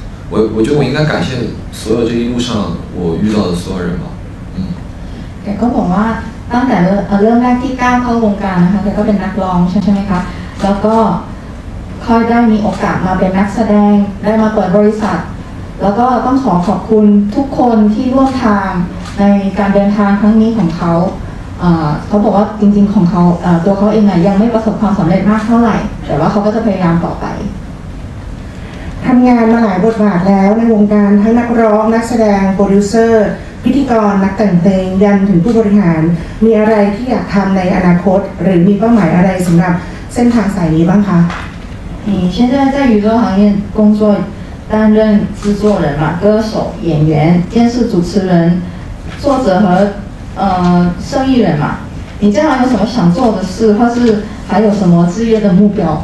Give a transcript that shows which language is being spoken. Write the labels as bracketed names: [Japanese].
[Chinese] 我觉得我应该感谢所有这一路上我遇到的所有人吧。 [Thai] แกก็บอกว่าตั้งแต่เริ่มแรกที่ก้าวเข้าวงการนะคะแกก็เป็นนักร้องใช่ไหมคะแล้วก็ค่อยได้มีโอกาสมาเป็นนักแสดงได้มาเปิดบริษัทแล้วก็ต้องขอขอบคุณทุกคนที่ร่วมทางในการเดินทางครั้งนี้ของเขาเขาบอกว่าจริงๆของเขาตัวเขาเองอ่ะยังไม่ประสบความสำเร็จมากเท่าไหร่แต่ว่าเขาก็จะพยายามต่อไป ทำงานมาหลายบทบาทแล้วในวงการทั้งนักร้องนักแสดงโปรดิวเซอร์พิธีกรนักแต่งเพลงยันถึงผู้บริหารมีอะไรที่อยากทำในอนาคตหรือมีเป้าหมายอะไรสำหรับเส้นทางสายนี้บ้างคะ [Chinese] 现在在娱乐行业工作，担任制作人嘛，歌手、演员、电视主持人、作者和生意人嘛。你将来有什么想做的事，或是还有什么职业的目标？